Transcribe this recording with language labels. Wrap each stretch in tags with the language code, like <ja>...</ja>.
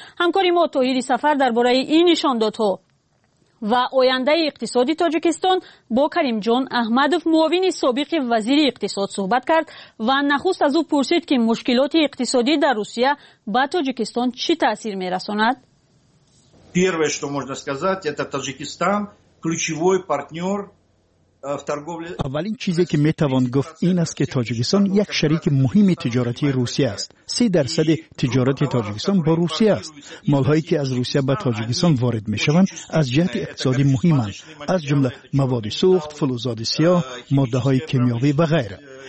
<fa>همکاری ما طاهر سفر درباره این نشاندادها و آینده اقتصادی تاجیکستان با کریم جان احمدوف معاون سابق وزیر اقتصاد صحبت کرد و نخست از او پرسید که مشکلات اقتصادی در روسیه با تاجیکستان چی تاثیر می رساند؟</fa> <ru>первое что можно сказать это Таджикистан ключевой партнёр</ru> <fa>اولین چیزی که میتوان گفت این است که تاجیکستان یک شریک مهم تجارتی روسیه است. 30% تجارت تاجیکستان با روسیه است. مالهایی که از روسیه به تاجیکستان وارد میشوند از جهت اقتصادی مهمند. از جمله مواد سوخت، فلزات سیاه، ماده های کیمیاوی و غیره.</fa>